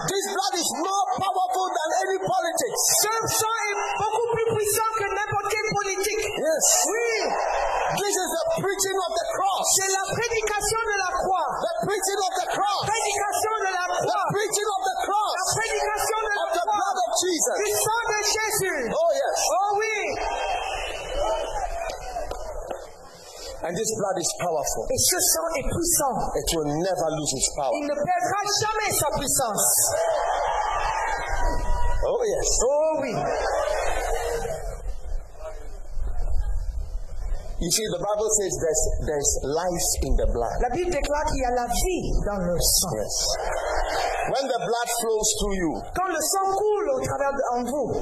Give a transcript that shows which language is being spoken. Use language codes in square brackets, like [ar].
[en] This blood is more powerful than any politics. [fr] Ce sang est beaucoup plus puissant que n'importe quelle politique. [en] Yes. [fr] Oui. [en] This is the preaching of the cross. [fr] C'est la prédication de la croix. [en] The preaching of the cross. [fr] Prédication de la croix. [en] The preaching of the cross. [fr] La prédication de [en] of [fr] la croix. [en] The blood of Jesus. [fr] Du sang de Jésus. [en] Oh yes. [fr] Oh oui. [en] And this blood is powerful. [fr] Et ce sang est puissant. [en] It will never lose its power. [fr] Il ne perdra jamais sa puissance. [en] Oh yes. [fr] Oh oui. [en] You see, the Bible says there's life in the blood. [fr] La Bible déclare qu'il y a la vie dans le sang. [en] Yes. When the blood flows through you, [fr] quand le sang coule au travers de, en vous,